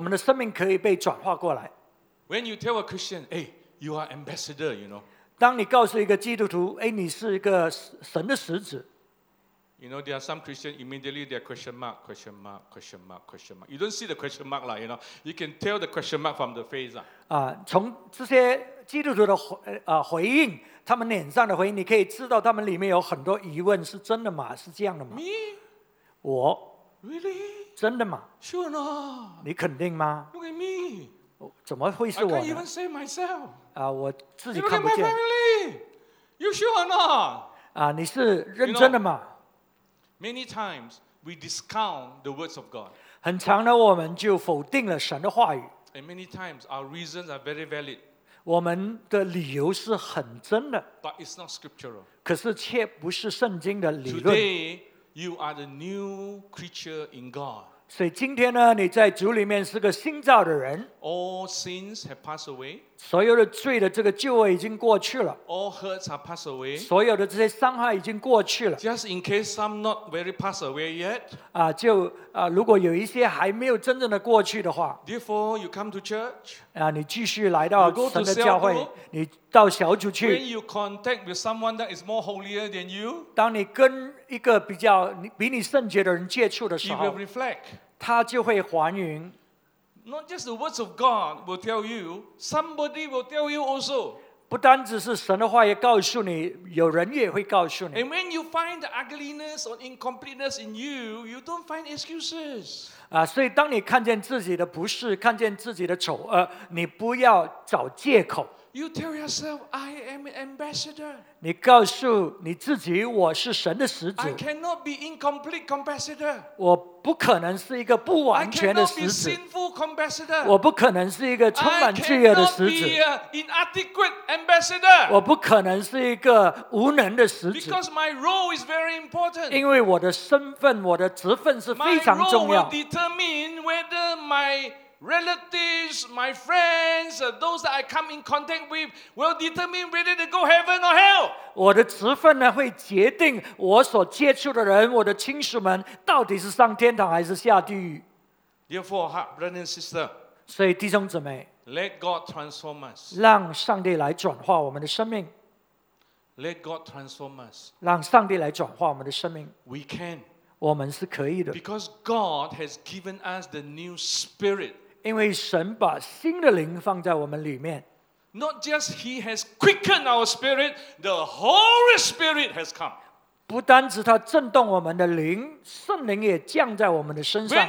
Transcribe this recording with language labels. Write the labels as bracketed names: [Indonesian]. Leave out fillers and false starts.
[Chinese] 所以神说我们在主里面是新造的人，绝对我们是新的。可是神呢，要我们跟他一起的配搭，使到呢，我们可以我们的生命可以被转化过来。 [English] When you tell a Christian, "Hey, you are ambassador," you know. [Chinese] 当你告诉一个基督徒，哎，你是一个神的使者。 [English] You know, there are some Christians immediately they are question mark, question mark, question mark, question mark. You don't see the question mark, lah. You know, you can tell the question mark from the face, lah. [Chinese] 从这些基督徒的回应，他们脸上的回应，你可以知道他们里面有很多疑问，是真的吗？是这样的吗？ [English] Me, [Chinese] 我 [English] ，Really, [Chinese] 真的吗 [English] ？Sure, no. [Chinese] 你肯定吗 [English] ？Look at me. [Chinese] 怎么会是我 [English] ？I can't even see myself. [Chinese] 我自己看不见。 [English] You look at my family. You sure or not? [Chinese] 你是认真的吗？ [English] You know, Many times we discount the words of God. [Chinese] 很长呢，我们就否定了神的话语。 [English] And many times our reasons are very valid. [Chinese] 我们的理由是很真的。 [English] But it's not scriptural. [Chinese] 可是却不是圣经的理论。 [English] Today you are the new creature in God. [Chinese] 所以今天呢，你在主里面是个新造的人。 [English] All sins have passed away. [Chinese] 所有的罪的这个旧已经过去了。 [English] All hurts are passed away. [Chinese] 所有的这些伤害已经过去了。 [English] Just in case some not very passed away yet. [Chinese] 如果有一些还没有真正的过去的话。 [English] Therefore, you come to church. [Chinese] 你继续来到神的教会。你到小组去。 [English] When you contact with someone that is more holier than you. [Chinese] 当你跟一个比你圣洁的人接触的时候。 [English] He will reflect. [Chinese] 他就会还原。 [English] Not just the words of God will tell you, somebody will tell you also. [Chinese] 不单只是神的话也告诉你，有人也会告诉你。 [English] And when you find the ugliness or incompleteness in you, you don't find excuses. [Chinese] 所以当你看见自己的不是，看见自己的丑，你不要找借口。 [English] You tell yourself, I am an ambassador. [Chinese] 你告诉你自己，我是神的使者。 [English] I cannot be incomplete ambassador. [Chinese] 我不可能是一个不完全的使者。 [English] I cannot be sinful ambassador. [Chinese] 我不可能是一个充满罪恶的使者。 [English] I cannot be an inadequate ambassador. [Chinese] 我不可能是一个无能的使者。 [English] Because my role is very important. [Chinese] 因为我的身份，我的职分是非常重要。 [English] My role will determine whether my relatives, my friends, those that I come in contact with will determine whether they go heaven or hell. [Chinese] 我的职分呢，会决定我所接触的人，我的亲属们到底是上天堂还是下地狱。 [English] Therefore, brothers and sisters, [Chinese] 所以弟兄姊妹, [English] let God transform us. [Chinese] 让上帝来转化我们的生命。 [English] Let God transform us. [Chinese] 让上帝来转化我们的生命。 [English] We can. [Chinese] 我们是可以的。 [English] Because God has given us the new spirit. [Chinese] 因为神把新的灵放在我们里面。 [English] Not just He has quickened our spirit, the Holy Spirit has come. [Chinese] 不单只祂震动我们的灵，圣灵也降在我们的身上。